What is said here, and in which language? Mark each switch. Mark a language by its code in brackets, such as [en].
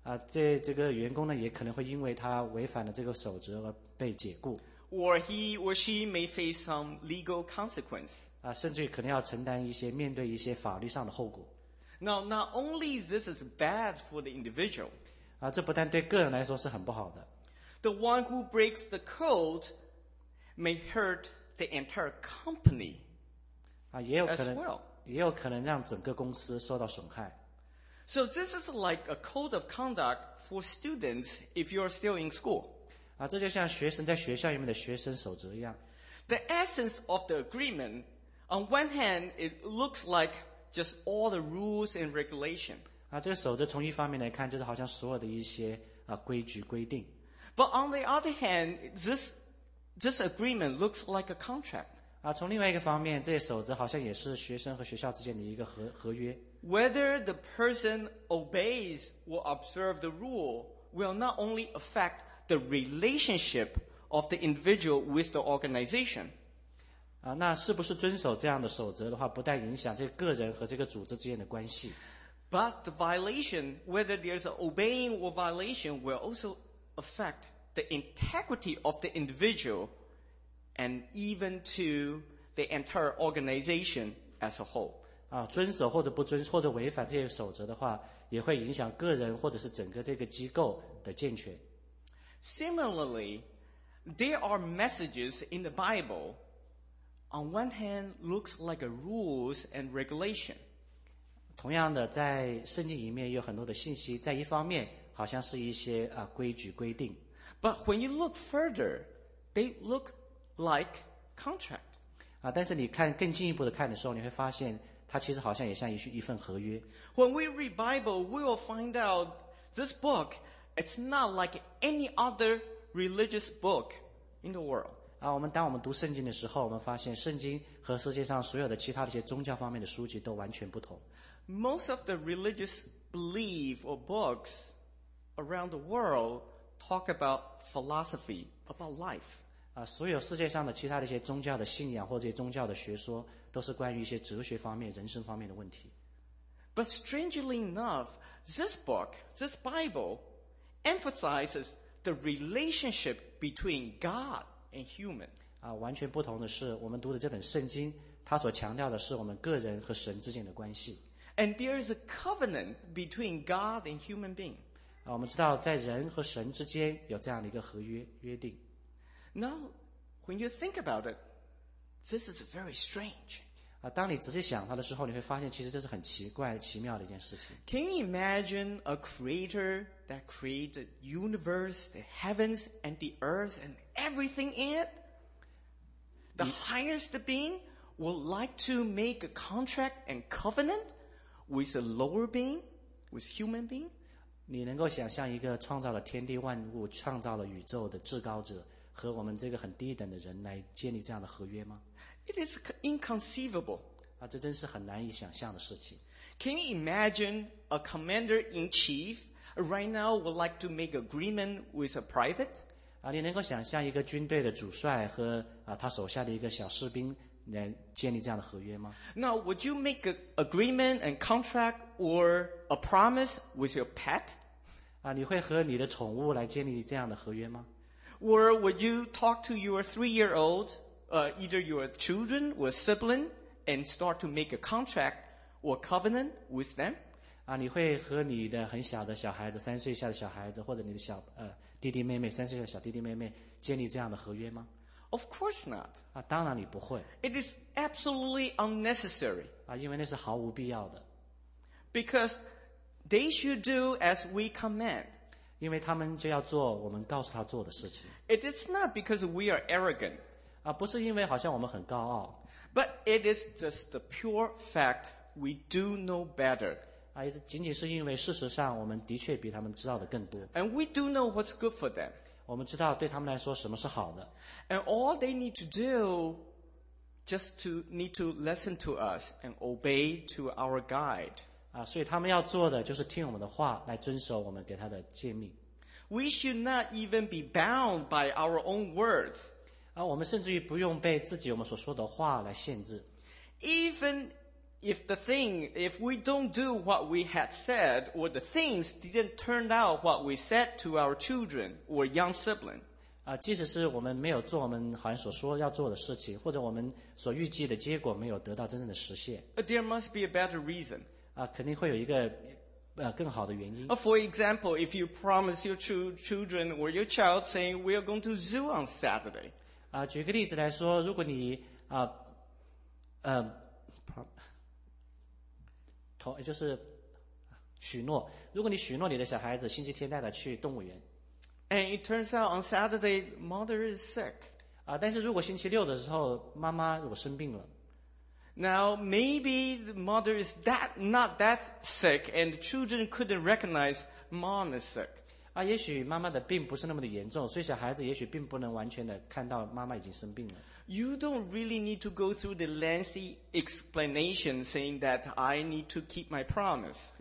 [zh] 这个员工呢也可能会因为他违反了这个守则而被解雇。 [en] Or he or she may face some legal consequence. [zh] 甚至于可能要承担一些面对一些法律上的后果。 [en] Now, not only this is bad for the individual. [zh] 这不但对个人来说是很不好的。 [en] The one who breaks the code may hurt the entire company. [zh] 也有可能 [en] as well. [zh] 也有可能让整个公司受到损害。 [en] So this is like a code of conduct for students if you are still in school. [zh] 这就像学生在学校里面的学生守则一样。 [en] The essence of the agreement, on one hand, it looks like just all the rules and regulation. [zh] 这个守则从一方面来看就是好像所有的一些规矩规定。 [en] But on the other hand, this agreement looks like a contract. [zh] 从另外一个方面这些守则好像也是学生和学校之间的一个合约。 [en] Whether the person obeys or observes the rule will not only affect the relationship of the individual with the organization. [zh] 那是不是遵守这样的守则的话，不但影响这个个人和这个组织之间的关系。 [en] But the violation, whether there's an obeying or violation, will also affect the integrity of the individual and even to the entire organization as a whole. [zh] 遵守或者不遵守或者违反这些守则的话也会影响个人或者是整个这个机构的健全。 [en] Similarly, there are messages in the Bible on one hand looks like a rules and regulation. [zh] 同样的在圣经里面有很多的信息在一方面好像是一些规矩规定。 [en] But when you look further, they look like contract. [zh] 但是你看更进一步的看的时候你会发现它其实好像也像一份合约。 [en] When we read Bible, we will find out This book, it's not like any other religious book in the world. [zh] 啊，我们当我们读圣经的时候，我们发现圣经和世界上所有的其他的一些宗教方面的书籍都完全不同。 [en] Most of the religious belief or books around the world talk about philosophy, about life. [zh] 啊，所有世界上的其他的一些宗教的信仰或者一些宗教的学说，都是关于一些哲学方面、人生方面的问题。 [en] But strangely enough, this book, this Bible, emphasizes the relationship between God and human. [zh] 啊，完全不同的是，我们读的这本圣经，它所强调的是我们个人和神之间的关系。 [en] And there is a covenant between God and human being. [zh] 啊，我们知道在人和神之间有这样的一个合约约定。 [en] Now, when you think about it, this is very strange. [zh] 啊，当你仔细想它的时候，你会发现其实这是很奇怪、奇妙的一件事情。 [en] Can you imagine a creator that created the universe, the heavens, and the earth, and everything in it? The highest being would like to make a contract and covenant with a lower being, with human being? [zh] 你能够想象一个创造了天地万物、创造了宇宙的至高者和我们这个很低等的人来建立这样的合约吗？ [en] It is inconceivable. [zh] 啊，这真是很难以想象的事情。 [en] Can you imagine a commander in chief right now would like to make agreement with a private? [zh] 啊，你能够想象一个军队的主帅和啊他手下的一个小士兵来建立这样的合约吗？ [en] Now, would you make an agreement and contract or a promise with your pet? [zh] 啊，你会和你的宠物来建立这样的合约吗？ [en] Or would you talk to your three-year-old? Either your children or sibling and start to make a contract or covenant with them? [zh] 啊，你会和你的很小的小孩子，三岁以下的小孩子，或者你的小弟弟妹妹，三岁的小弟弟妹妹，建立这样的合约吗？ [en] Of course not. [zh] 啊，当然你不会。 [en] It is absolutely unnecessary. [zh] 啊，因为那是毫无必要的。 [en] Because they should do as we command. [zh] 因为他们就要做我们告诉他做的事情。 [en] It is not because we are arrogant. [zh] 啊，不是因为好像我们很高傲。 [en] But it is just the pure fact we do know better. [zh] 啊，仅仅是因为事实上我们的确比他们知道的更多。 [en] And we do know what's good for them. [zh] 我们知道对他们来说什么是好的。 [en] And all they need to do just to need to listen to us and obey to our guide. [zh] 啊，所以他们要做的就是听我们的话，来遵守我们给他的诫命。 [en] We should not even be bound by our own words. [zh] 啊，我们甚至于不用被自己我们所说的话来限制。 [en] Even if the thing, if we don't do what we had said, or the things didn't turn out what we said to our children or young sibling. [zh] 啊，即使是我们没有做我们好像所说要做的事情，或者我们所预计的结果没有得到真正的实现。 [en] There must be a better reason. [zh] 啊，肯定会有一个更好的原因。 [en] For example, if you promise your children or your child saying we are going to zoo on Saturday. [zh] 举个例子来说，如果你就是许诺，如果你许诺你的小孩子星期天带他去动物园 [en] ，and it turns out on Saturday mother is sick， [zh] 啊，但是如果星期六的时候妈妈如果生病了 [en] ，now maybe the mother is not that sick and children couldn't recognize mom is sick。 [zh] 啊，也许妈妈的病不是那么的严重，所以小孩子也许并不能完全的看到妈妈已经生病了。 [en] You don't really need to go through the lengthy explanation saying that I need to keep my promise.